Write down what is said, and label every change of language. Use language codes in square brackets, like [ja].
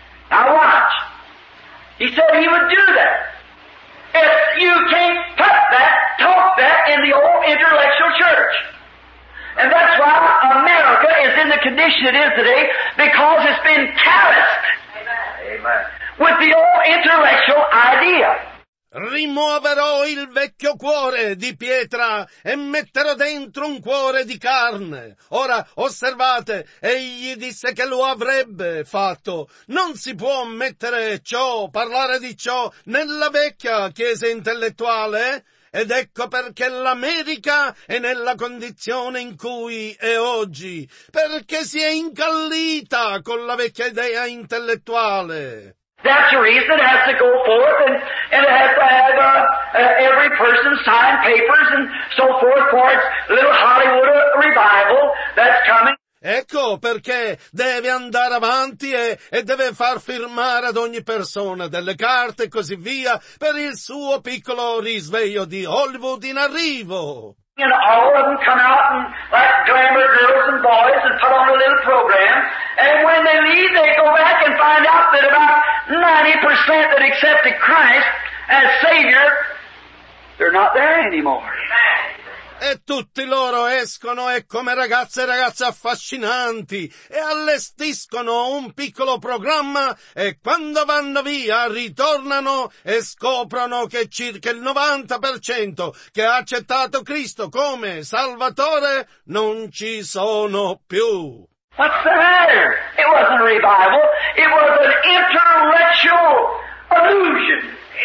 [en] Now watch. He said he would do that. if you can't touch that, talk that in the old intellectual church. And that's why America is in the condition it is today, because it's been calloused. Amen. With the old intellectual idea. [it] Rimuoverò il vecchio cuore di pietra e metterò dentro un cuore di carne. Ora, osservate, egli disse che lo avrebbe fatto. Non si può mettere ciò, parlare di ciò, nella vecchia chiesa intellettuale. Ed ecco perché l'America è nella condizione in cui è oggi, perché si è incallita con la vecchia idea intellettuale. [en] That's the reason it has to go forth and it has to have every person sign papers and so forth for its little Hollywood revival that's coming. [it] Ecco perché deve andare avanti e deve far firmare ad ogni persona delle carte e così via per il suo piccolo risveglio di Hollywood in arrivo. [en] And all of them come out and like glamour girls and boys and put on a little program. And when they leave, they go back and find out that about 90% that accepted Christ as Savior, they're not there anymore. [it] E tutti loro escono e come ragazze e ragazze affascinanti e allestiscono un piccolo programma e quando vanno via ritornano e scoprono che circa il 90% che ha accettato Cristo come Salvatore non ci sono più. [en] What's the matter? It wasn't a revival. It was an intellectual illusion.